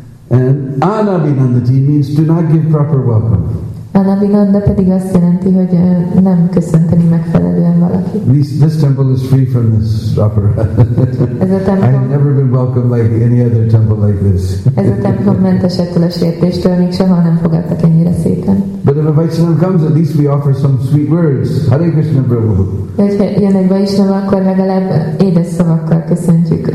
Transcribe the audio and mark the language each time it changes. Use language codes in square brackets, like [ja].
[en] And anabhinandati means to not give proper welcome. [hu] Anabhinanda pedig azt jelenti, hogy nem köszönteni megfelelően valaki. [en] This temple is free from this opera. I've never been welcomed like any other temple like this. [hu] Ez a templom mentes ettől a sértéstől, még soha nem fogadtak ennyire szépen. [en] But if a Vaishnava comes, at least we offer some sweet words. Hare Krishna Prabhu. [hu] Hogyha jön egy Vaishnava, akkor legalább édes szavakkal köszöntjük.